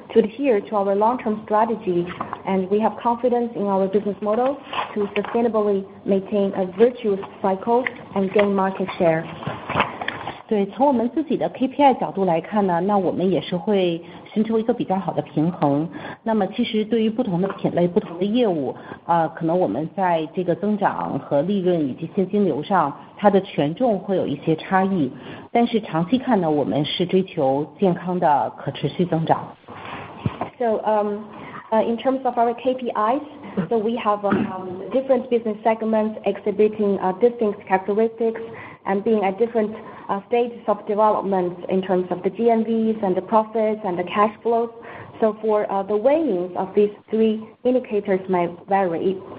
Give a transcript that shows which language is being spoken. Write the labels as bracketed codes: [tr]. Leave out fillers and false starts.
[en] to adhere to our long-term strategy, and we have confidence in our business model to sustainably maintain a virtuous cycle and gain market share. [zh] 对，从我们自己的 KPI 角度来看呢，那我们也是会寻求一个比较好的平衡。那么其实对于不同的品类、不同的业务，可能我们在这个增长和利润以及现金流上，它的权重会有一些差异。但是长期看呢，我们是追求健康的可持续增长。 [en] So in terms of our KPIs, so we have different business segments exhibiting distinct characteristics and being at different stages of development in terms of the GMVs and the profits and the cash flows. So for the weightings of these three indicators may vary.